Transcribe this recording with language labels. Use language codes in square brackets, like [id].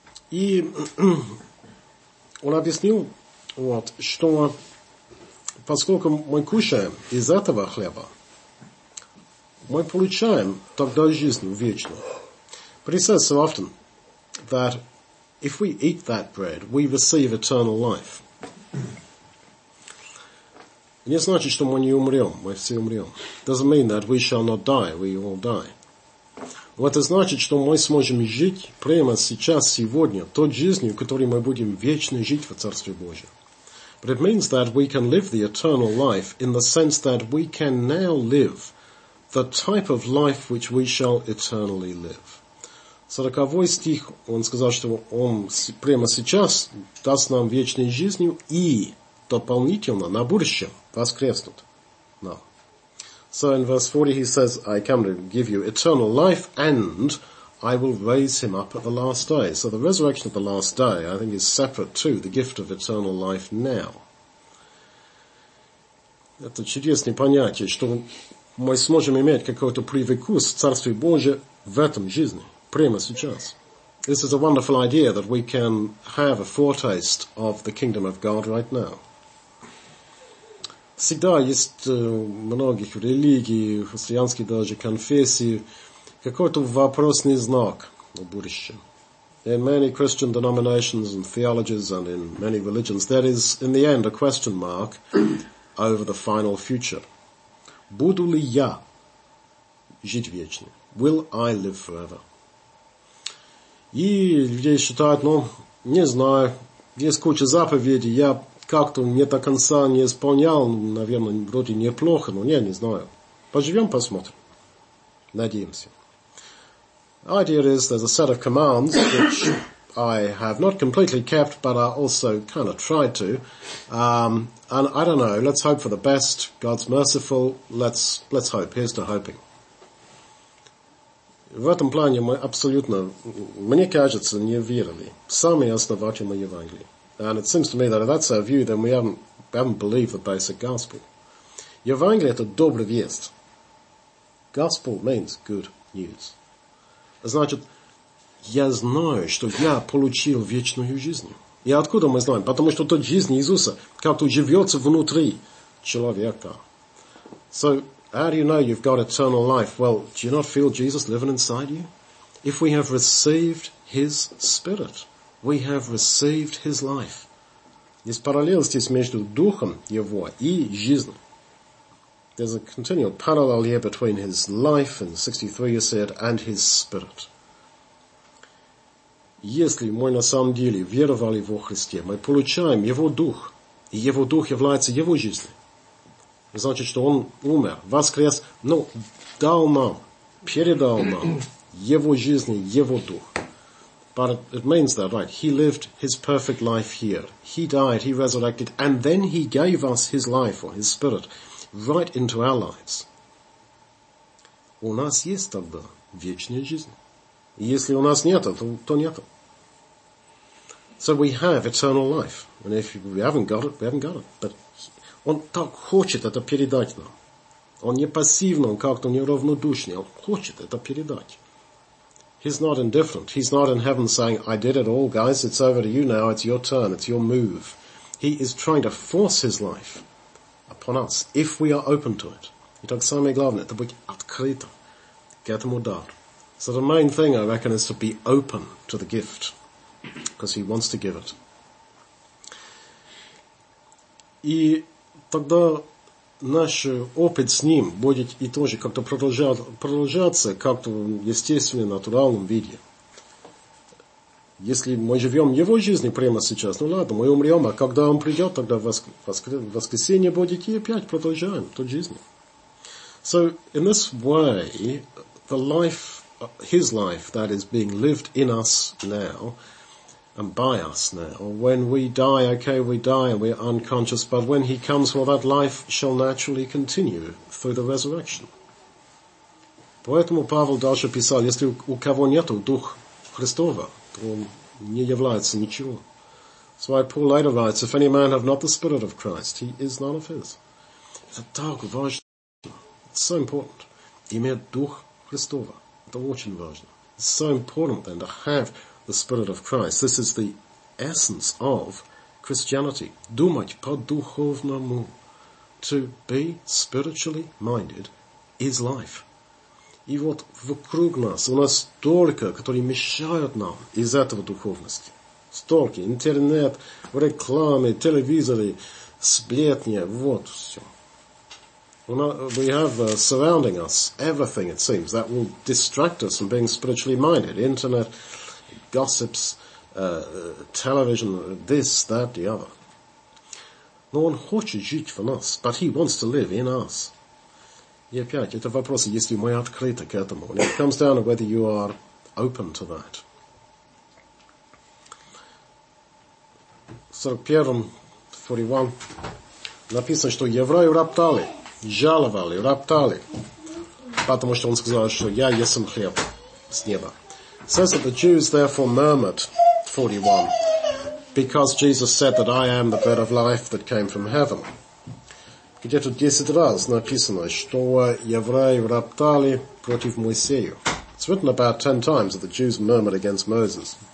[ru] И он объяснил, вот, что поскольку мы кушаем из этого хлеба, мы получаем тогда жизнь вечную. [en] But he says so often that if we eat that bread, we receive eternal life. [ru] Не значит, что мы не умрем, мы все умрем. [en] Doesn't mean that we shall not die, we all die. [ru] Но это значит, что мы сможем жить прямо сейчас, сегодня, той жизнью, которой мы будем вечно жить в Царстве Божьем. [en] But it means that we can live the eternal life in the sense that we can now live the type of life which we shall eternally live. [ru] 40 стих, он сказал, что он прямо сейчас даст нам вечную жизнь и дополнительно на будущем воскреснут. [en] So in verse 40 he says, I come to give you eternal life and I will raise him up at the last day. So the resurrection of the last day, I think, is separate to the gift of eternal life now. [ru] Это чудесное понятие, что мы сможем иметь какой-то привкус Царствия Божьего в этом жизни, прямо сейчас. [en] This is a wonderful idea that we can have a foretaste of the kingdom of God right now. [ru] Всегда есть у многих религий, христианских даже конфессий, какой-то вопросный знак о будущем. [en] In many Christian denominations and theologies and in many religions, there is, in the end, a question mark over the final future. [ru] Буду ли я жить вечно? [en] Will I live forever? [ru] И люди считают, ну, не знаю, есть куча заповедей, я как-то не до конца не исполнял, наверное, вроде неплохо, но не знаю. Поживем, посмотрим. Надеемся. [en] The idea is there's a set of commands which I have not completely kept, but I also kind of tried to. And I don't know, let's hope for the best. God's merciful. Let's hope. Here's to hoping. [ru] В этом плане мы абсолютно, мне кажется, не верили в самые основательные Евангелия. [en] And it seems to me that if that's our view, then we haven't believed the basic gospel. [ru] Евангелие – это добрая весть. [en] Gospel means good news. [ru] Значит, я знаю, что я получил вечную жизнь. И откуда мы знаем? Потому что тот жизнь Иисуса как-то живется внутри человека. [en] So, how do you know you've got eternal life? Well, do you not feel Jesus living inside you? If we have received his spirit, we have received his life. [ru] Есть параллель здесь между Духом Его и жизнью. [en] There's a continual parallel here between his life, in 63 you said, and his spirit. [ru] Если мы на самом деле веровали во Христе, мы получаем его дух, и его дух является его жизнью. Значит, что он умер, воскрес, но дал нам, передал нам его жизнь, его дух. [en] But it means that, right, he lived his perfect life here. He died, he resurrected, and then he gave us his life, or his spirit, right into our lives. [ru] У нас есть тогда вечная жизнь. Если у нас нет, то нет. [en] So we have eternal life. And if we haven't got it, we haven't got it. [ru] But он так хочет это передать нам. Он не пассивный, он как-то неравнодушный. Он хочет это передать. [en] He's not indifferent. He's not in heaven saying, I did it all, guys. It's over to you now. It's your turn. It's your move. He is trying to force his life upon us, if we are open to it. [ru] Итак, самое главное, это быть открытым к этому дару. [en] So the main thing, I reckon, is to be open to the gift, because he wants to give it. [ru] И тогда наш опыт с ним будет и тоже как-то продолжаться как-то в естественном, натуральном виде. Если мы живем его жизнью прямо сейчас, ну ладно, мы умрем, а когда он придет, тогда воскресенье будет, и опять продолжаем тот жизнь. [en] So, in this way, the life, his life, that is being lived in us now, and by us now, when we die, okay, we die, and we're unconscious, but when he comes, well, that life shall naturally continue through the resurrection. [ru] Поэтому Павел дальше писал, если у кого нету Дух Христова, он не является ничего. [en] That's why Paul later writes, if any man have not the Spirit of Christ, he is none of his. [ru] Это так важно. [en] It's so important. [ru] Иметь Дух Христова. Это очень важно. [en] It's so important then to have the Spirit of Christ. This is the essence of Christianity. [ru] Думать по-духовному. [en] To be spiritually minded is life. [ru] И вот вокруг нас, у нас столько, которые мешают нам из этого духовности. Столько. Интернет, рекламы, телевизоры, сплетни. Вот все. [en] We have surrounding us everything, it seems, that will distract us from being spiritually minded. Internet, gossips, television, this, that, the other. [ru] Но он хочет жить в нас, [en] but he wants to live in us. [ru] И опять, это вопрос, если мы открыты к этому. [en] And it comes down to whether you are open to that. [ru] В 41 написано, что евреи роптали, жаловали, роптали, потому что он сказал, что я ем хлеб с неба. [en] It says that the Jews therefore murmured, 41, because Jesus said that I am the bread of life that came from heaven. [ru] где-то 10 раз написано, что евреи роптали против Моисея. [en] It's written about 10 times that the Jews murmured against Moses.